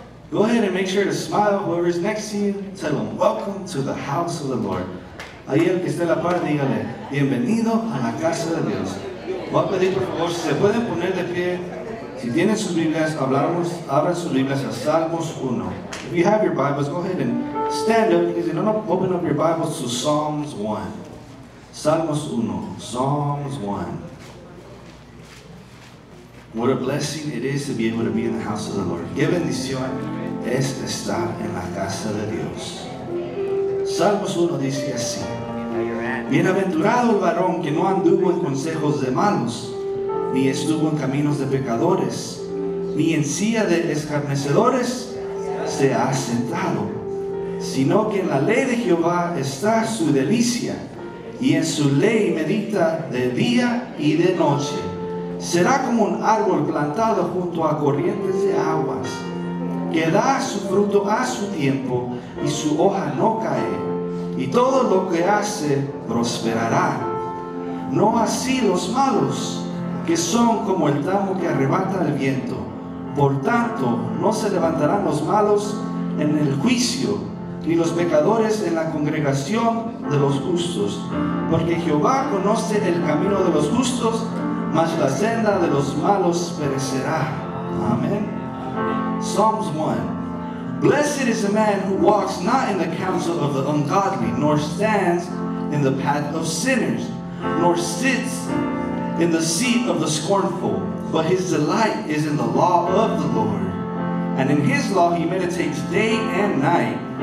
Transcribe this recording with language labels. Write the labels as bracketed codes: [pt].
[en] Go ahead and make sure to smile whoever's next to you. Tell them, welcome to the house of the Lord. [es] Ahí el que esté a la par, dígale, bienvenido a la casa de Dios. Voy a pedir, por favor, si se pueden poner de pie. Si tienen sus Biblias, abran sus Biblias a Salmos 1. [en] If you have your Bibles, go ahead and stand up. Because if you don't open up your Bibles to Psalms 1. [es] Salmos 1. [en] Psalms 1. What a blessing it is to be able to be in the house of the Lord. [es] Qué bendición es estar en la casa de Dios. Salmos 1 dice así. Bienaventurado el varón que no anduvo en consejos de malos, ni estuvo en caminos de pecadores, ni en silla de escarnecedores se ha sentado, sino que en la ley de Jehová está su delicia, y en su ley medita de día y de noche. Será como un árbol plantado junto a corrientes de aguas, que da su fruto a su tiempo, y su hoja no cae, y todo lo que hace prosperará. No así los malos, que son como el tamo que arrebata el viento. Por tanto, no se levantarán los malos en el juicio, ni los pecadores en la congregación de los justos. Porque Jehová conoce el camino de los justos, mas la senda de los malos perecerá. [en] Amén. Psalms 1. Blessed is a man who walks not in the counsel of the ungodly, nor stands in the path of sinners, nor sits in the seat of the scornful, but his delight is in the law of the Lord, and in his law he meditates day and night.